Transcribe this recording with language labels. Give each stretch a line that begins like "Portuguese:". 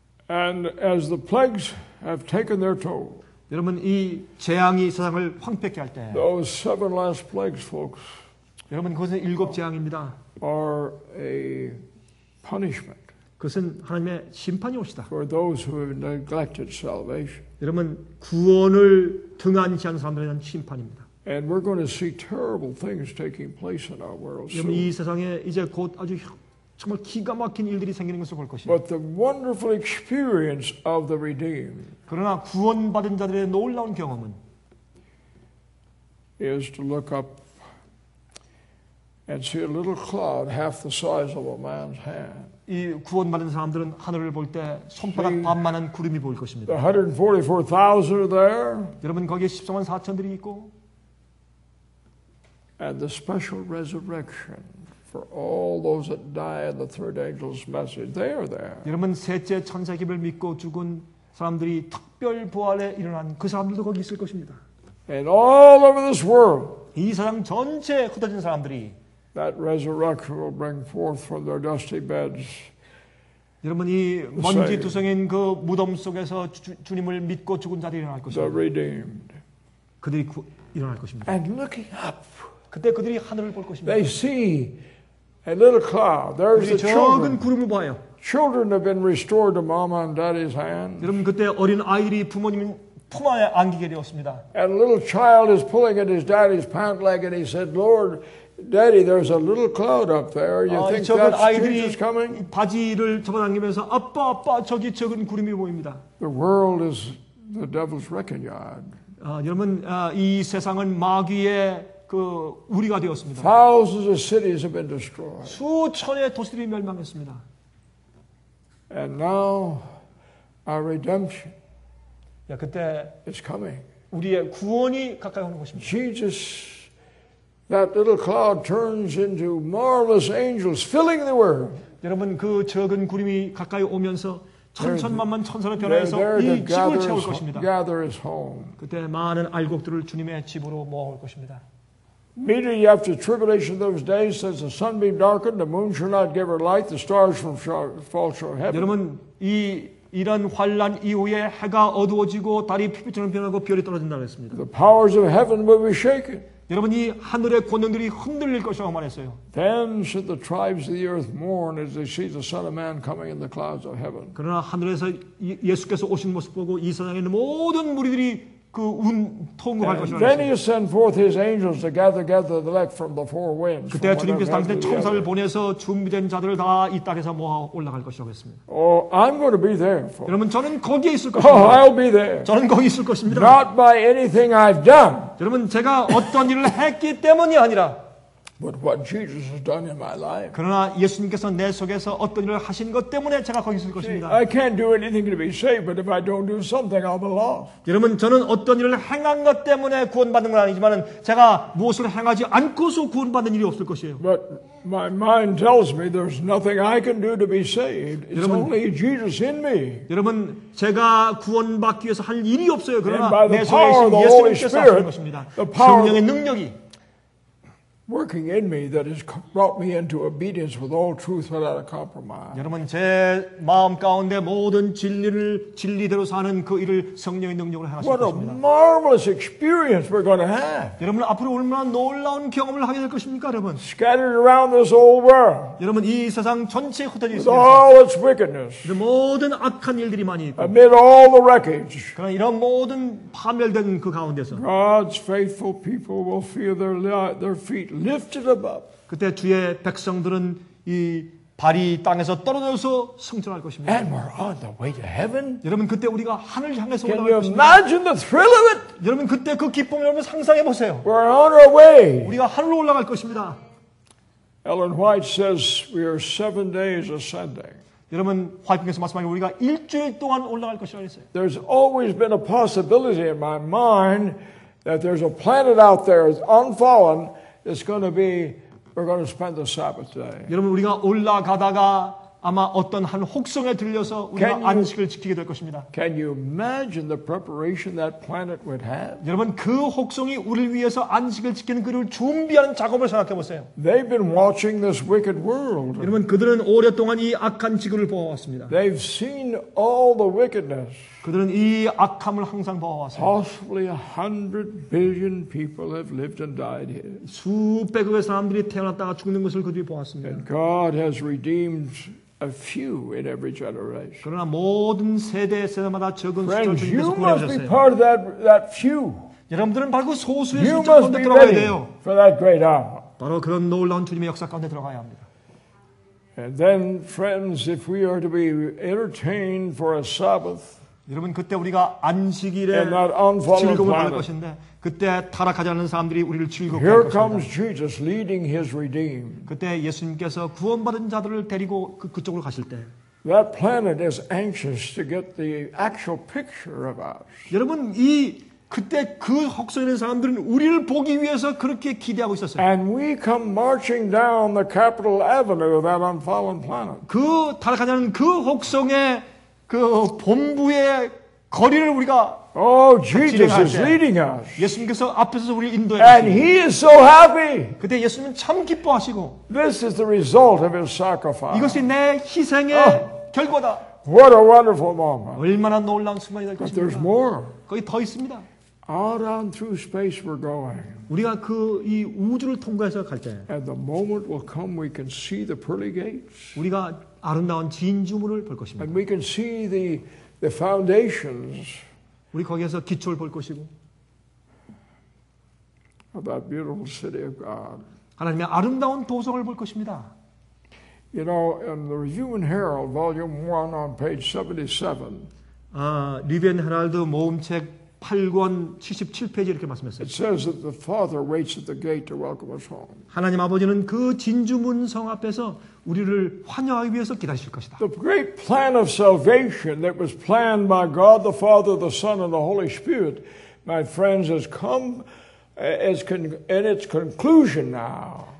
English: And as the plagues have taken their toll.
Korean: 여러분 이 재앙이 세상을 황폐케 할 때.
English: Those seven last plagues, folks.
Korean: 여러분 그것은 일곱 재앙입니다.
English: Are a punishment.
Korean: 그것은 하나님의 심판이 옵시다.
English: For those who have neglected salvation.
Korean: 여러분 구원을 등한시 한 사람들에 대한 심판입니다.
English: And we're going to see terrible things taking place in our world.
Korean: 여러분 이 세상에 이제 곧 아주 정말 기가 막힌 일들이 생기는 것을 볼 것이다.
English: But the wonderful experience of the redeemed.
Korean: 그러나 구원받은 자들의 놀라운 경험은
English: is to look up and see a little cloud half the size of a man's hand.
Korean: 이 구원받은 사람들은 하늘을 볼 때 손바닥 반만한 구름이 보일 것입니다.
English: The 144,000 are there.
Korean: 여러분 거기에 14만 4천들이 있고.
English: And the special resurrection for all those that die in the third angel's message, they are there.
Korean: 여러분 셋째 천사 기별 믿고 죽은 사람들이 특별 부활에 일어난 그 사람들도 거기 있을 것입니다.
English: And all over this world.
Korean: 이 세상 전체에 흩어진 사람들이.
English: That resurrection will bring forth from their dusty beds.
Korean: 여러분 이 먼지 투성인 그 무덤 속에서 주님을 믿고 죽은 자들이 일어날 것입니다.
English: The redeemed.
Korean: 그들이 일어날 것입니다.
English: And looking up,
Korean: 그때 그들이 하늘을 볼 것입니다.
English: They see a little cloud. There's the children.
Korean: 작은 구름을 봐요.
English: Children have been restored to mama and daddy's hands.
Korean: 여러분 그때 어린 아이들이 부모님 품에 안기게 되었습니다.
English: And a little child is pulling at his daddy's pant leg, and he said, "Lord." Daddy, there's a little cloud up there. You think that's Jesus coming?
Korean: 바지를 접어당기면서 아빠, 아빠, 저기 적은 구름이 보입니다.
English: The world is the devil's wrecking yard.
Korean: 여러분, 이 세상은 마귀의 그 우리가 되었습니다.
English: Thousands of cities have been destroyed.
Korean: 수천의 도시들이 멸망했습니다.
English: And now our redemption.
Korean: 야, 그때
English: is coming.
Korean: 우리의 구원이 가까이 오는 것입니다.
English: Jesus. That little cloud turns into marvelous angels filling the world.
Korean: 여러분 그 적은 구름이 가까이 오면서 천천만만 천사로 변화해서 이 집을 채울 것입니다.
English: Gather his home.
Korean: 그때 많은 알곡들을 주님의 집으로 모아올 것입니다.
English: Immediately after tribulation those days, as the sun be darkened, the moon shall not give her light, the stars from fall short heaven.
Korean: 여러분 이런 환란 이후에 해가 어두워지고 달이 핏빛처럼 변하고 별이 떨어진다고 했습니다.
English: The powers of heaven will be shaken.
Korean: 여러분 이 하늘의 권능들이 흔들릴 것이라고 말했어요.
English: Then should the tribes of the earth mourn as they see the Son of Man coming in the clouds of heaven.
Korean: 그러나 하늘에서 예수께서 오신 모습 보고 이 세상의 모든 무리들이 그 운 통곡할 것이라고.
English: Then he sent forth his angels to gather together the elect from the four winds.
Korean: 그때 주님께서 당신의 천사를 보내서 준비된 자들을 다 이 땅에서 모아 올라갈 것이라고 했습니다.
English: Oh, I'm going to be there.
Korean: 여러분 저는 거기에 있을 것입니다.
English: Oh, I'll be there.
Korean: 저는 거기 있을 것입니다.
English: Not by anything I've done.
Korean: 여러분 제가 어떤 일을 했기 때문이 아니라.
English: But what Jesus has done in my life.
Korean: 그러나 예수님께서 내 속에서 어떤 일을 하신 것 때문에 제가 거기 있을 것입니다.
English: See, I can't do anything to be saved, but if I don't do something, I'll be lost.
Korean: 여러분, 저는 어떤 일을 행한 것 때문에 구원받는 건 아니지만, 제가 무엇을 행하지 않고서 구원받는 일이 없을 것이에요.
English: But my mind tells me there's nothing I can do to be saved. It's
Korean: 여러분,
English: only Jesus in me.
Korean: 여러분, 제가 구원받기 위해서 할 일이 없어요. 그러나 내 속에 있는 예수님께서 하신 것입니다. 성령의 능력이
English: working in me that has brought me into obedience with all truth without a compromise.
Korean: 여러분 제 마음 가운데 모든 진리를 진리대로 사는 그 일을 성령의 능력으로 행하실 것입니다.
English: What a marvelous experience we're going to have.
Korean: 여러분 앞으로 얼마나 놀라운 경험을 하게 될 것입니까, 여러분?
English: Scattered around this whole world.
Korean: 여러분 이 세상 전체에 흩어져 있습니다.
English: All its wickedness.
Korean: 모든 악한 일들이 많이 있고.
English: Amid all the wreckage.
Korean: 그런 이런 모든 파멸된 그 가운데서
English: God's faithful people will feel their feet lifted above.
Korean: 그때 주의 백성들은 이 발이 땅에서 떨어져서 승천할 것입니다.
English: And we're on the way to heaven.
Korean: 여러분 그때 우리가 하늘 향해서 올라갈 것입니다.
English: Can you imagine the thrill of it?
Korean: 여러분 그때 그 기쁨을 여러분 상상해 보세요.
English: We're on our way.
Korean: 우리가 하늘로 올라갈 것입니다.
English: Ellen White says we are 7 days ascending.
Korean: 여러분 화이트님께서 말씀하신 우리가 일주일 동안 올라갈 것이라고 했어요.
English: There's always been a possibility in my mind that there's a planet out there that's unfallen. It's going to be. We're going to spend the Sabbath day.
Korean: 여러분 우리가 올라가다가 아마 어떤 한 혹성에 들려서 우리가 안식을 지키게 될 것입니다.
English: Can you imagine the preparation that planet would have?
Korean: 여러분 그 혹성이 우리를 위해서 안식을 지키는 그를 준비하는 작업을 생각해 보세요.
English: They've been watching this wicked world.
Korean: 여러분 그들은 오랫동안 이 악한 지구를 보아왔습니다.
English: They've seen all the wickedness.
Korean: 그들은 이 악함을 항상 보아왔어요.
English: Possibly 100 billion people have lived and died here.
Korean: 수백억의 사람들이 태어났다가 죽는 것을 그들이 보았습니다.
English: And God has redeemed a few in every generation.
Korean: 그러나 모든 세대마다 적은
English: Friends,
Korean: 숫자 주님께서 구원하셨어요.
English: You must be part of that few.
Korean: 여러분들은 바로 그 소수의 숫자 가운데 들어가야 돼요.
English: For that great hour.
Korean: 바로 그런 놀라운 주님의 역사 가운데 들어가야 합니다.
English: And then, friends, if we are to be entertained for a Sabbath.
Korean: 여러분 그때 우리가 안식일에 즐거움을 받을 것인데 그때 타락하지 않는 사람들이 우리를 즐겁게 할 것입니다. 그때 예수님께서 구원받은 자들을 데리고 그쪽으로 가실 때
English: That planet is anxious to get the actual picture of us.
Korean: 여러분 이 그때 그 혹성에 있는 사람들은 우리를 보기 위해서 그렇게 기대하고 있었어요.
English: And we come marching down the Capitol Avenue of that unfallen planet.
Korean: 그 타락하지 않은 그 혹성에 그 본부의 거리를 우리가
English: Oh, Jesus is leading us.
Korean: 예수님께서 앞에서 우리를 인도해
English: And he is so happy.
Korean: 그때 예수님은 참 기뻐하시고
English: This is the result of his sacrifice.
Korean: 이것이 내 희생의 결과다.
English: What a wonderful moment.
Korean: 얼마나 놀라운 순간이 될 것입니다.
English: But there's more.
Korean: 거기 더 있습니다.
English: Out on through space we're going.
Korean: 우리가 그 이 우주를 통과해서 갈 때
English: And the moment will come we can see the pearly gates.
Korean: 우리가 아름다운 진주문을 볼 것입니다.
English: And we can see the foundations.
Korean: 우리 거기에서 기초를 볼 것이고.
English: Of that beautiful city of God.
Korean: 하나님의 아름다운 도성을 볼 것입니다.
English: You know, in the Review and Herald, Volume 1 on page 77.
Korean: 아, 리뷰 앤 헤럴드 모음책 8권 77페이지 이렇게 말씀했어요.
English: It says that the Father waits at the gate to welcome us home.
Korean: 하나님 아버지는 그 진주문 성 앞에서 우리를 환영하기 위해서 기다리실 것이다.
English: The great plan of salvation that was planned by God the Father, the Son, and the Holy Spirit, my friends, has come in its conclusion now.